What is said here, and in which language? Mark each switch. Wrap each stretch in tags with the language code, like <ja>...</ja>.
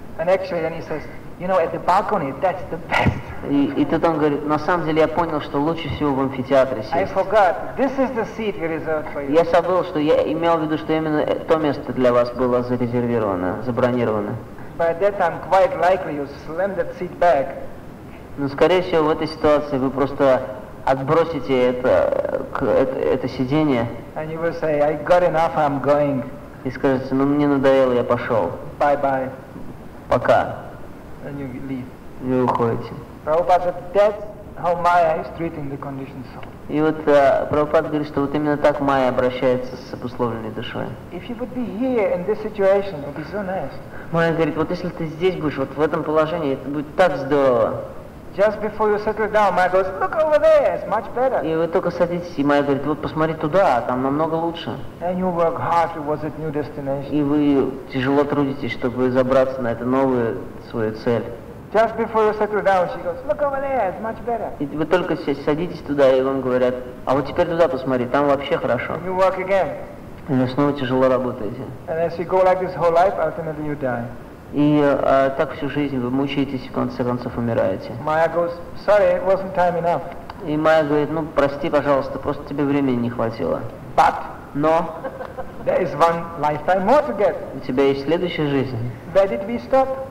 <en>And actually then he says, you know, at the balcony, that's the best.</en> <ru>И тут он говорит: на самом деле я понял, что лучше всего в амфитеатре сесть.</ru> <en>I forgot, this is the seat we reserved for you.</en> <ru>Я забыл, что я имел в виду, что именно то место для вас было зарезервировано, забронировано.</ru> <en>By that time, quite likely you slammed that seat back.</en> <ru>Но скорее всего в этой ситуации вы просто отбросите это сиденье.</ru> <en>And you will say, I got enough, I'm going.</en> <ru>И скажете: ну мне надоело, я пошел.</ru> <en>Bye-bye.</en> <ru>Пока.</ru> <en>And you leave.</en> <ru>И вы уходите.</ru> <en>Prabhupada said, that's how Maya is treating the conditioned soul.</en> <ru>И вот Прабхупада говорит, что вот именно так Майя обращается с обусловленной душой.</ru> <en>If you would be here in this situation, it would be so nice.</en> <ru>Майя говорит: вот если ты здесь будешь, вот в этом положении, это будет так здорово.</ru> <en>Just before you settle down, Maya goes, look over there, it's much better.</en> <ru>И вы только садитесь, и Майя говорит: вот посмотри туда, там намного лучше.</ru> <en>And you work hard towards that new destination.</en> <ru>И вы тяжело трудитесь, чтобы забраться на эту новую свою цель.</ru> <en>Just before you settle down, she goes, look over there, it's much better.</en> <ru>И вы только садитесь туда, и вам говорят: а вот теперь туда посмотри, там вообще хорошо.</ru> <en>And you work again.</en> <ru>И вы снова тяжело работаете.</ru> <en>And as you go like this whole life, ultimately you die.</en> <ru>И так всю жизнь вы мучаетесь, в конце концов умираете.</ru> <en>Maya goes, sorry, it wasn't time enough.</en> <ru>И Майя говорит: ну прости, пожалуйста, просто тебе времени не хватило.</ru> <en>But</en> <ru>но</ru> <en>there is one lifetime more to get.</en> <ru>У тебя есть следующая жизнь.</ru> <en>Where did we stop?</en>